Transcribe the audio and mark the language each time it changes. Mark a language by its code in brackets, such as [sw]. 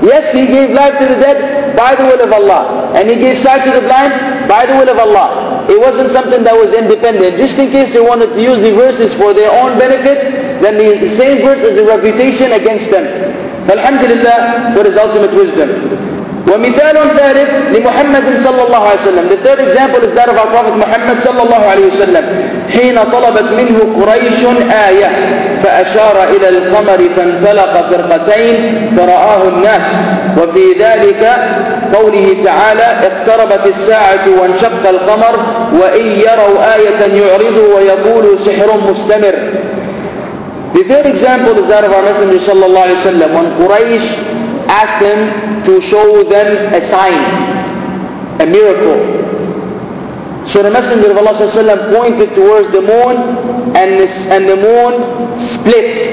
[en] Yes, he gave life to the dead by the will of Allah. And he gave sight to the blind by the will of Allah. It wasn't something that was independent. Just in case they wanted to use the verses for their own benefit, then the same verse is a refutation against them. Alhamdulillah for his ultimate wisdom. [ar] ومثال ثالث لمحمد صلى الله عليه وسلم. [en] The third example is that of our Prophet Muhammad صلى الله عليه وسلم. [ar] حين طلبت منه قريش آية فأشار إلى القمر فانفلق فرقتين فرآه الناس. وفي ذلك قوله تعالى اقتربت الساعة وانشق القمر وإن يروا آية يعرضوا ويقولوا سحر مستمر. [en] The third example is that of our Messenger صلى الله عليه وسلم. When Quraysh asked him to show them a sign, a miracle. So the Messenger of Allah ﷺ pointed towards the moon, and the moon split.